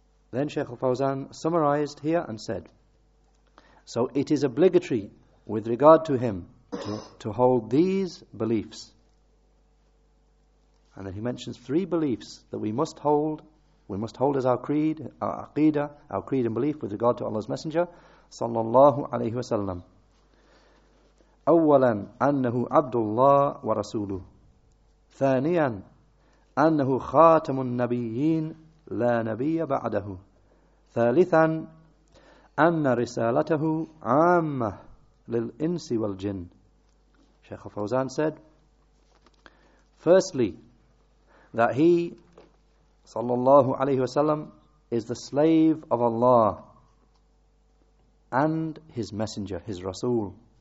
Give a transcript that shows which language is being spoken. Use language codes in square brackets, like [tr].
[en] Then Shaykh Al-Fawzan summarized here and said, so it is obligatory with regard to him to hold these beliefs. And then he mentions three beliefs that we must hold. We must hold as our creed, our aqidah, our creed and belief with regard to Allah's Messenger, sallallahu alayhi wasallam. [ar] أولا أنه عبد الله ورسوله ثانيا أنه خاتم النبيين لا نبي بعده ثالثا أن رسالته عامة للإنس والجن. [en] Shaykh Al-Fawzan said, firstly, that he sallallahu alayhi wasallam is the slave of Allah and his messenger, his Rasul.